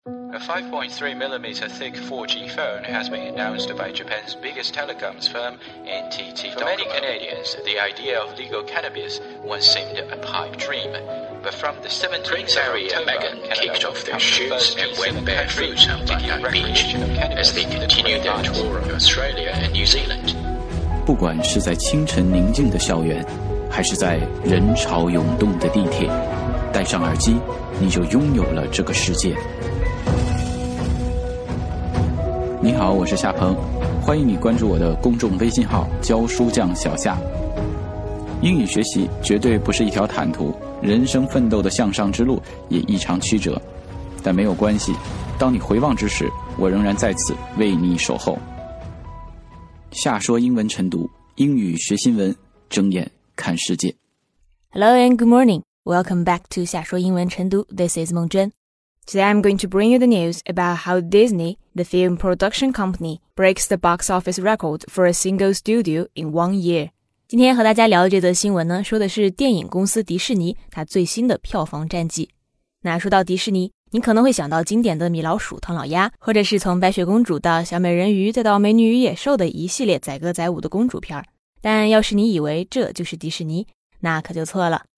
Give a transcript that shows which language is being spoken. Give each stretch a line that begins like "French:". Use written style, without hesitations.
English: A 5.3mm thick 4G phone has been announced by Japan's biggest telecoms firm, NTT Docomo. For many Canadians, the idea of legal cannabis once seemed a pipe dream. But from the 17th of October, Megan kicked off their shoots and went barefoot on Bondi Beach as they continued their tour of Australia and New Zealand.
Chinese: 不管是在清晨宁静的校园，还是在人潮涌动的地铁，戴上耳机，你就拥有了这个世界。你好，我是夏鹏，欢迎你关注我的公众微信号教书匠小夏。英语学习绝对不是一条坦途，人生奋斗的向上之路也异常曲折，但没有关系，当你回望之时，我仍然在此为你守候。夏说英文晨读，英语学新闻，睁眼看世界。
English: Hello and good morning, welcome back to 夏说英文晨读。 This is 孟娟。 Today I'm going to bring you the news about how Disney, the film production company, breaks the box office record for a single studio in 1 year.
Chinese: 今天和大家聊的这则新闻呢，说的是电影公司迪士尼它最新的票房战绩。那说到迪士尼，你可能会想到经典的米老鼠、唐老鸭，或者是从白雪公主到小美人鱼再到美女与野兽的一系列载歌载舞的公主片。但要是你以为这就是迪士尼，那可就错了。